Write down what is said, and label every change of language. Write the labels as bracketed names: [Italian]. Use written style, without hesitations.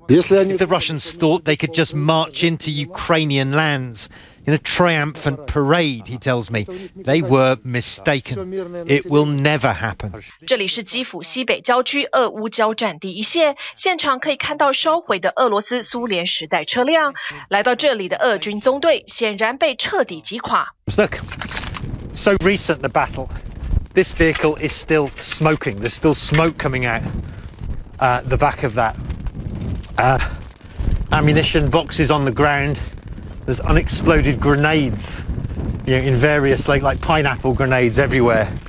[English] The Russians thought they could just march into Ukrainian lands in a triumphant parade, he tells me. They were mistaken. It will never happen. [Chinese] 这里是基辅西北郊区俄乌交战第一线，现场可以看到烧毁的俄罗斯苏联时代车辆。来到这里的俄军中队显然被彻底击垮。Look, [English] so recent the battle. This vehicle is still smoking. There's still smoke coming out the back of that. Ammunition boxes on the ground. There's unexploded grenades, you know, in various like pineapple grenades everywhere.